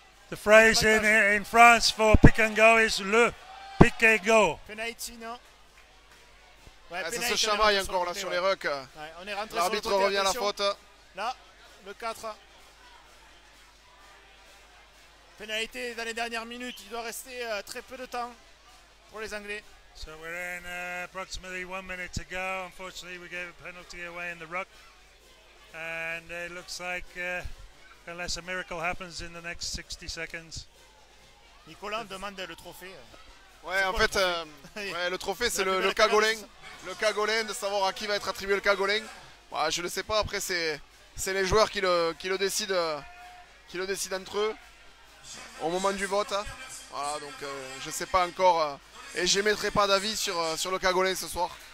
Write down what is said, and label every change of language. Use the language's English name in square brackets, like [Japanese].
[English] The phrase in France for pick and go is le pick and go. [French] Penalty, non ouais, ah, penalty, ça se chamaille encore là sur les rucks. Ouais, on est rentré sur l'arbitre revient à la faute. Là, le 4. Penalty dans les dernières minutes, il doit rester très peu de temps pour les Anglais. [English] So we're in approximately 1 minute to go. Unfortunately, we gave a penalty away in the ruck. And it looks like, unless a miracle happens in the next 60 seconds. [French] Nicolas demande le trophée. Ouais, c'est en fait, le trophée, c'est le cagolin. Le cagolin, de savoir à qui va être attribué le cagolin. Bah, je ne sais pas, après, c'est les joueurs qui le décident entre eux au moment du vote. Hein. Voilà, donc je ne sais pas encore. Et je n'émettrai pas d'avis sur le cagolin ce soir.